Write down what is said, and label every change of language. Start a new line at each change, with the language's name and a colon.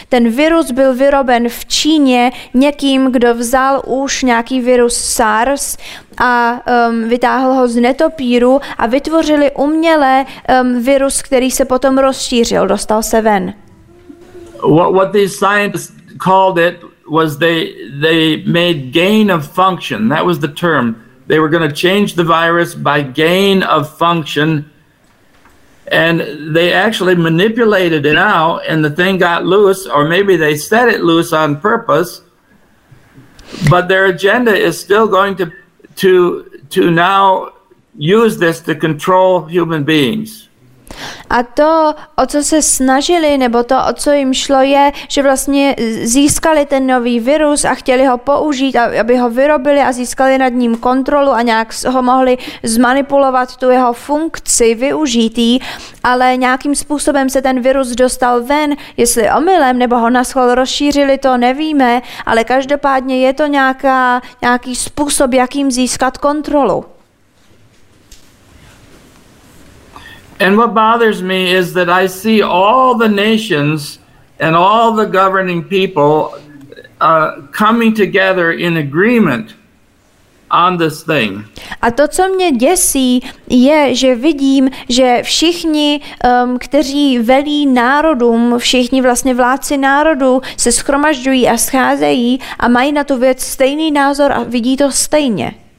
Czech: Ten virus byl vyroben v Číně někým, kdo vzal už nějaký virus SARS a vytáhl ho z netopíru a vytvořili umělé virus, který se potom rozšířil, dostal se ven.
English: What these scientists called it was they made gain of function, that was the term. They were going to change the virus by gain of function, and they actually manipulated it now, and the thing got loose, or maybe they set it loose on purpose, but their agenda is still going to now use this to control human beings.
Czech: A to, o co se snažili, nebo to, o co jim šlo, je, že vlastně získali ten nový virus a chtěli ho použít, aby ho vyrobili a získali nad ním kontrolu a nějak ho mohli zmanipulovat, tu jeho funkci, využít jí, ale nějakým způsobem se ten virus dostal ven, jestli omylem, nebo ho naschvál rozšířili, to nevíme, ale každopádně je to nějaký způsob, jakým získat kontrolu.
English: And what bothers me is that I see all the nations and all the governing people coming together in agreement on this thing.
Czech: A to, co mě děsí, je, že vidím, že všichni, kteří velí národům, všichni vlastně vládci národů se shromažďují a scházejí a mají na tu věc stejný názor a vidí to stejně.